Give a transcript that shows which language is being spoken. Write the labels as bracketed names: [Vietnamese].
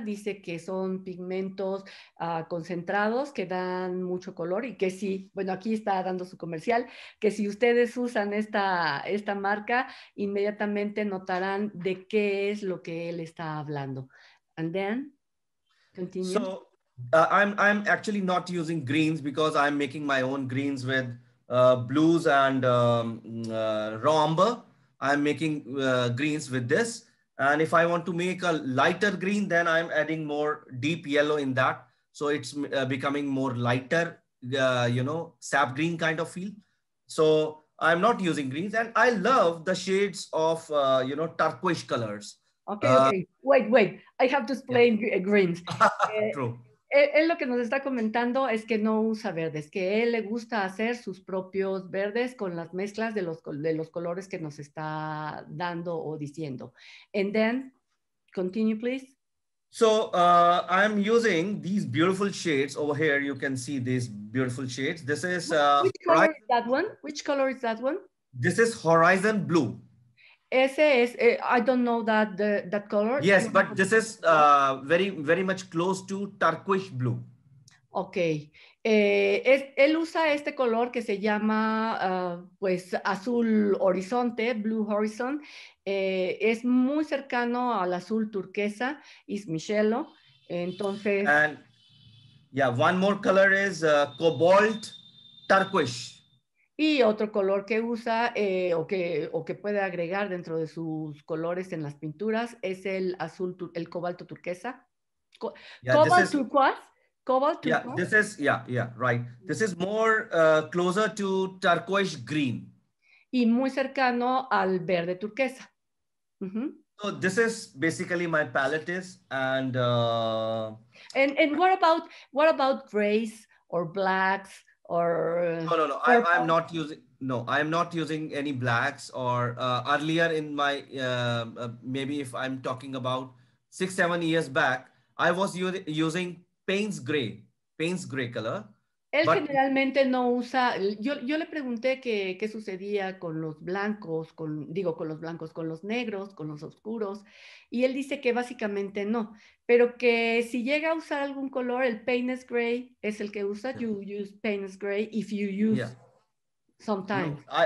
[Spanish] Dice que son pigmentos concentrados que dan mucho color y que sí. Bueno, aquí está dando su comercial, que si ustedes usan esta marca, inmediatamente notarán de qué es lo que él está hablando. [English] And then, continue. So, I'm actually not using greens because I'm making my own greens with blues and raw umber. I'm making greens with this. And if I want to make a lighter green, then I'm adding more deep yellow in that. So it's becoming more lighter, you know, sap green kind of feel. So I'm not using greens. And I love the shades of, you know, turquoise colors. Okay, okay. Wait. I have to explain yeah. greens. True. [Spanish] Él lo que nos está comentando es que no usa verdes, que él le gusta hacer sus propios verdes con las mezclas de los colores que nos está dando o diciendo. [English] And then, continue please. So, I'm using these beautiful shades over here. You can see these beautiful shades. This is... Which color is that one? This is horizon blue. [Spanish] Ese es, [English] I don't know that color. Yes, but this is very, very much close to turquoise blue. Okay. [Spanish] Él usa este color que se llama, pues, azul horizonte, [English] blue horizon. [Spanish] Es muy cercano al azul turquesa, is Michelo. Entonces. [English] And, yeah, one more color is cobalt turquoise. [Spanish] Y otro color que usa o que puede agregar dentro de sus colores en las pinturas es el azul, el cobalto turquesa. [English] Cobalt turquoise. Cobalt turquoise. Yeah, this is, yeah, right. This is more closer to turquoise green. [Spanish] Y muy cercano al verde turquesa. Uh-huh. [English] So this is basically my palette is and... And what about grays or blacks? Or no. I'm not using any blacks or earlier in my maybe if I'm talking about 6-7 years back, I was using Payne's gray color. [Spanish] Él generalmente no usa, yo le pregunté qué sucedía con los blancos, con los blancos, con los negros, con los oscuros, y él dice que básicamente no, pero que si llega a usar algún color, el paint is gray es el que usa. [English] Yeah. You use paint is gray if you use sometimes.